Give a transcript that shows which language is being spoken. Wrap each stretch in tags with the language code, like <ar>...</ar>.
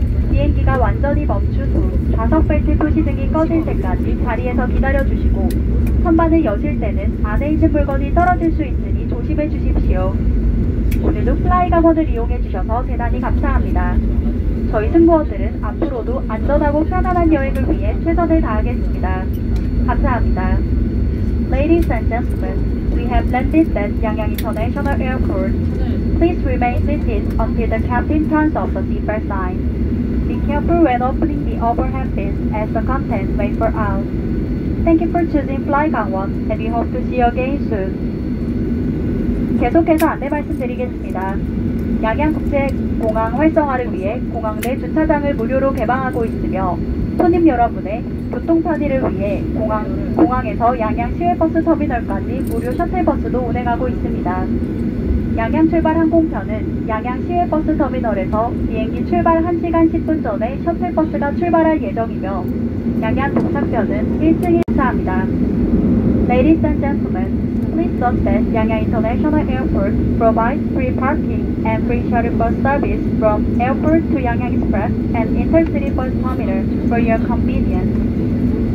<ko>비행기가 완전히 멈춘 후 좌석 벨트 표시 등이 꺼질 때까지 자리에서 기다려주시고 선반을 여실 때는 안에 있는 물건이 떨어질 수 있으니 조심해 주십시오. 오늘도 플라이강원을 이용해 주셔서 대단히 감사합니다. 저희 승무원들은 앞으로도 안전하고 편안한 여행을 위해 최선을 다하겠습니다. 감사합니다.</ko> <en>Ladies and gentlemen, we have landed at Yangyang International Airport. Please remain seated until the captain turns off the seatbelt sign. Be careful when opening the overhead bins as the contents may fall out. Thank you for choosing Fly Gangwon and we hope to see you again soon.</en> <ko>계속해서 안내 말씀드리겠습니다. 양양국제공항 활성화를 위해 공항 내 주차장을 무료로 개방하고 있으며 손님 여러분의 교통 편의를 위해 공항에서 양양 시외버스 터미널까지 무료 셔틀버스도 운행하고 있습니다. 양양 출발 항공편은 양양 시외버스 터미널에서 비행기 출발 1시간 10분 전에 셔틀버스가 출발할 예정이며 양양 도착편은 1층 행사합니다.</ko> <en>Ladies and gentlemen, please note that Yangyang International Airport provides free parking and free shuttle bus service from airport to Yangyang Express and Intercity Bus Terminal for your convenience.</en>